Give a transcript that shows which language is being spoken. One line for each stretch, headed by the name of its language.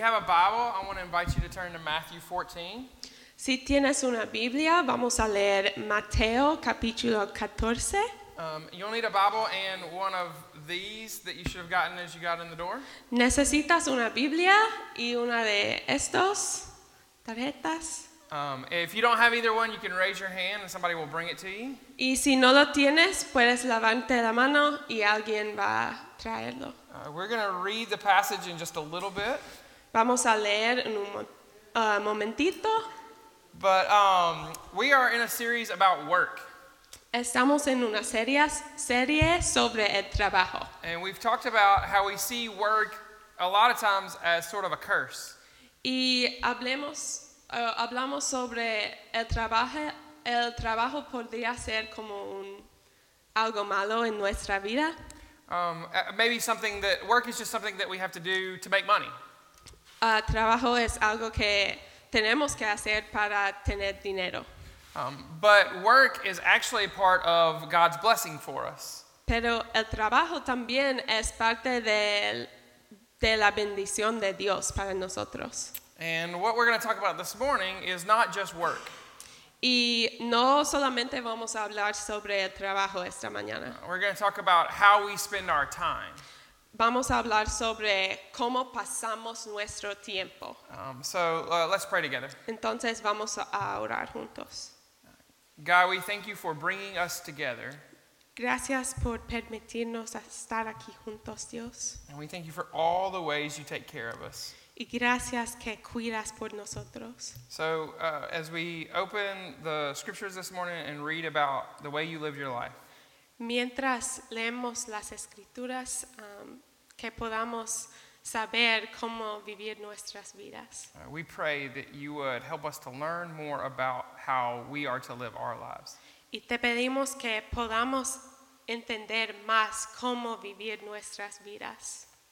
English: Have a Bible, I want to invite you to turn to Matthew 14.
Spanish: Si tienes una Biblia, vamos a leer Mateo capítulo 14.
English: You'll need a Bible and one of these that you should have gotten as you got in the door.
Spanish: Necesitas una Biblia y una de estos tarjetas.
English: If you don't have either one, you can raise your hand and somebody will bring it to you.
Spanish: Y si no lo tienes, puedes levantar la mano y alguien va a traerlo.
English: We're going to read the passage in just a little bit.
Spanish: Vamos a leer en un momentito.
English: But we are in a series about work.
Spanish: Estamos en una serie sobre el trabajo.
English: And we've talked about how we see work a lot of times as sort of a curse.
Spanish: Y hablamos sobre el trabajo podría ser como algo malo en nuestra vida.
English: Maybe something that work is just something that we have to do to make money.
Spanish: Trabajo es algo que tenemos que hacer para tener dinero.
English: But work is actually part of God's blessing for us.
Spanish: Pero el trabajo también es parte de la bendición de Dios para nosotros.
English: And what we're going to talk about this morning is not just work.
Spanish: Y no solamente vamos a hablar sobre el trabajo esta mañana.
English: We're going to talk about how we spend our time.
Spanish: Vamos a hablar sobre cómo pasamos nuestro tiempo.
English: Let's pray together.
Spanish: Entonces vamos a orar juntos.
English: God, we thank you for bringing us together.
Spanish: Gracias por permitirnos estar aquí juntos, Dios.
English: And we thank you for all the ways you take care of us.
Spanish: Y gracias que cuidas por nosotros.
English: So as we open the scriptures this morning and read about the way you live your life.
Spanish: Mientras leemos las escrituras, que podamos saber cómo vivir nuestras vidas.
English: We pray that you would help us to learn more about how we are to live our lives.
Spanish: Y te pedimos que podamos entender más cómo vivir nuestras vidas.